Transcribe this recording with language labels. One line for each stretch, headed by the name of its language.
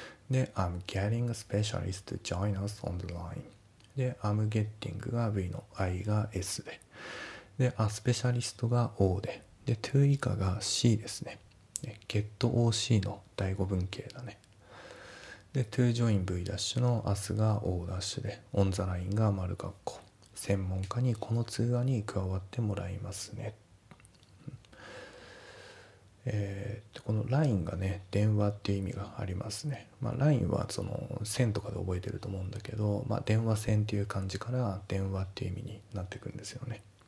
Japanese: で、
English: I'm getting a specialist to join us on the line.
Japanese: で、
English: I'm getting
Japanese: が V の I が S で。 で、a specialist が O で。で、to 以下が C ですね。ね、get OC の第5文型だね。で、to join V' の as が O' で、
English: on the line
Japanese: が丸括弧。専門家にこの通話に加わってもらいますね。このラインがね電話っていう意味がありますね。まあラインはその線とかで覚えてると思うんだけど、まあ、電話線っていう感じから電話っていう意味になってくるんですよね。